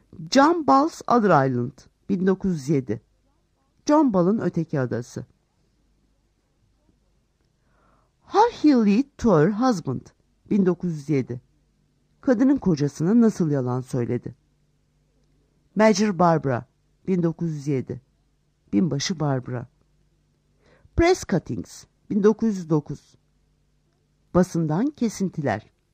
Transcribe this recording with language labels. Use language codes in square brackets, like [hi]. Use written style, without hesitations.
[en] John Ball's Other Island, 1907. [tr] John Ball'ın öteki adası. [en] How He Lied to Her Husband, 1907. [tr] Kadının kocasına nasıl yalan söyledi. [en] Major Barbara, 1907. [tr] Binbaşı Barbara. [en] Press Cuttings, 1909. [tr] Basından kesintiler.